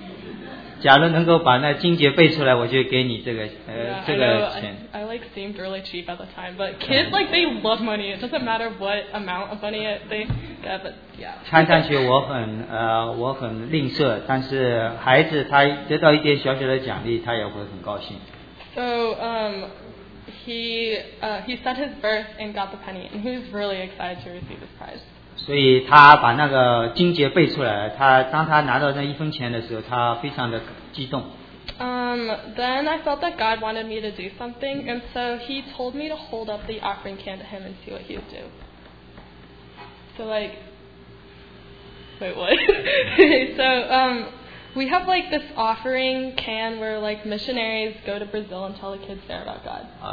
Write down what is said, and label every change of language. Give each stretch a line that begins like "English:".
Chinese: 我跟他说，你假如能够把那经节背出来, 我就给你这个, yeah, 这个钱。
English: I like seemed really cheap at the time, but kids, like, they love money. It doesn't matter what amount of money they get, but yeah.
Chinese: 看上去我很, 我很吝啬, 但是孩子他得到一点小小的奖励, 他也会很高兴。
English: So, he said his birth and got the penny, and he was really excited to receive his prize.
Chinese: 所以他把那个经节背出来，他当他拿到那一分钱的时候，他非常的激动。
English: Then I felt that God wanted me to do something, and so He told me to hold up the offering can to Him and see what He would do. So like, wait, what? So we have like this offering can where like missionaries go to Brazil and tell the kids there about God.